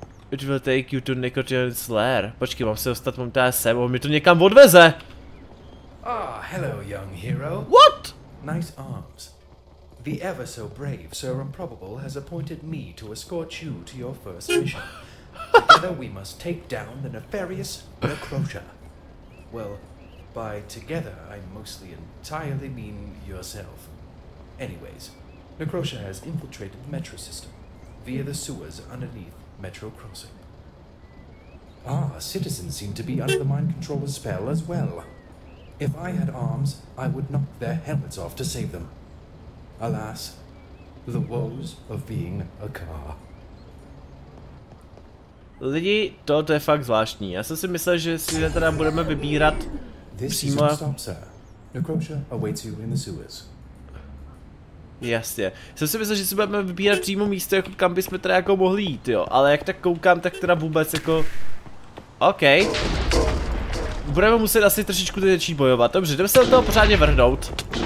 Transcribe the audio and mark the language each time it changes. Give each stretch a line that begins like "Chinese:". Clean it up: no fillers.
English: It will take you to Nicotian's lair.
Czech: Počkej, mám se dostat, mám tady sem, on mi to někam odveze.
English: Ah, hello, young hero. What? Nice arms. The ever so brave Sir Improbable has appointed me to escort you to your first mission. Together we must take down the nefarious Necrotia. Well... By together, I mostly entirely mean yourself. Anyways, Necrotia has infiltrated the metro system via the sewers underneath Metro Crossing. Ah, citizens seem to be under the mind controller's spell as well. If I had arms, I would knock their helmets off to save them. Alas, the woes of being a car.
Czech: Lidi, to je fakt zvláštní. Já jsem si myslel, že si teda budeme vybírat.
English: This is your stop, sir. Necrotia awaits you in the sewers.
Czech: Jasně. Jsem si myslel, že si budeme vybírat přímo místo, jako kam bychom teda jako mohli jít, jo. Ale jak tak koukám, tak teda vůbec jako... OK. Budeme muset asi trošičku teď začít bojovat. Dobře, jdeme se do toho pořádně vrhnout.